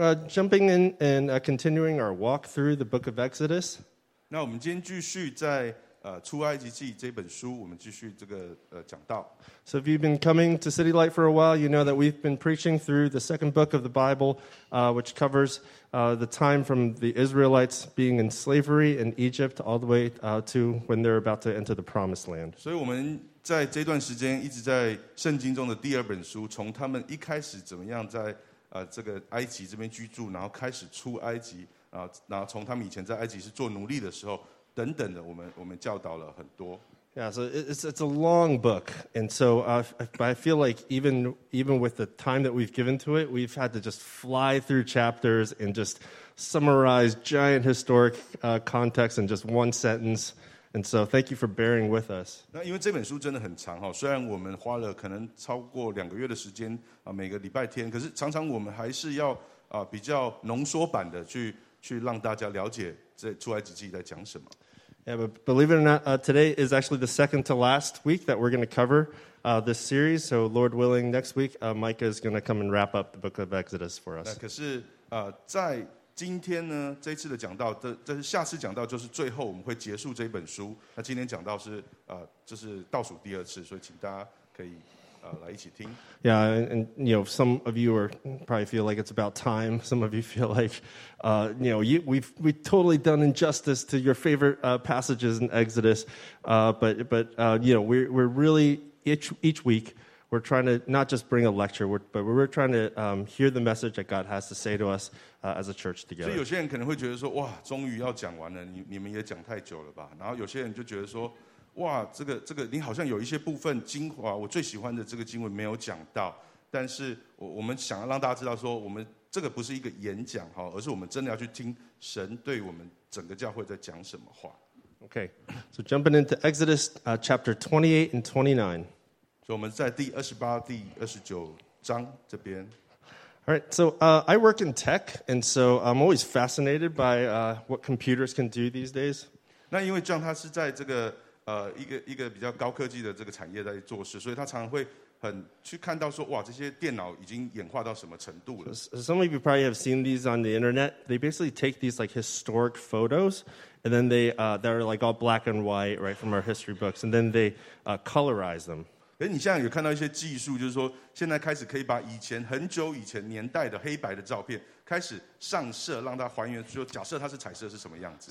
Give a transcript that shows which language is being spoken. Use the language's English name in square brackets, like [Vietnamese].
[English] Jumping in and continuing our walk through the book of Exodus. [Chinese] 那我们今天继续在出埃及记这本书，我们继续这个讲道。 [English] So if you've been coming to City Light for a while, you know that we've been preaching through the second book of the Bible, which covers the time from the Israelites being in slavery in Egypt all the way to when they're about to enter the Promised Land. [Chinese] 所以我们在这段时间一直在圣经中的第二本书，从他们一开始怎么样在这个埃及这边居住，然后开始出埃及，然后从他们以前在埃及是做奴隶的时候，等等的，我们教导了很多。 [English] Yeah, so it's a long book, and so I feel like even with the time that we've given to it, we've had to just fly through chapters and just summarize giant historic context in just one sentence. And so thank you for bearing with us. [Chinese] 那因为这本书真的很长哈，虽然我们花了可能超过两个月的时间每个礼拜天，可是常常我们还是要比较浓缩版的去让大家了解这出埃及记在讲什么。 [English] Yeah, but believe it or not, today is actually the second to last week that we're going to cover this series. So Lord willing, next week, Micah is going to come and wrap up the book of Exodus for us. [Chinese] 可是在今天呢，这次的讲道，这是下次讲道，就是最后我们会结束这本书。那今天讲道是就是倒数第二次，所以请大家可以来一起听。 [English] Yeah, and you know, some of you are probably feel like it's about time. Some of you feel like, you know, we've totally done injustice to your favorite passages in Exodus. But you know, we're really each week we're trying to not just bring a lecture, but we're trying to hear the message that God has to say to us as a church together. [Chinese] 所以有些人可能会觉得说，哇，终于要讲完了，你们也讲太久了吧？然后有些人就觉得说，哇，这个你好像有一些部分精华，我最喜欢的这个经文没有讲到。但是我们想要让大家知道说，我们这个不是一个演讲哈，而是我们真的要去听神对我们整个教会在讲什么话。 [English] Okay, so jumping into Exodus chapter 28 and 29. [Chinese] 所以我们在第二十八、第二十九章这边。 [English] All right, so I work in tech, and so I'm always fascinated by what computers can do these days. [Chinese] 那因为 John 他是在这个一个比较高科技的这个产业在做事，所以他常会很去看到说，哇，这些电脑已经演化到什么程度了。 [English] Some of you probably have seen these on the internet. They basically take these like historic photos. And then they're like all black and white, right, from our history books. And then they colorize them. [Chinese] 可是你现在有看到一些技术，就是说现在开始可以把以前很久以前年代的黑白的照片开始上色，让它还原，就假设它是彩色是什么样子。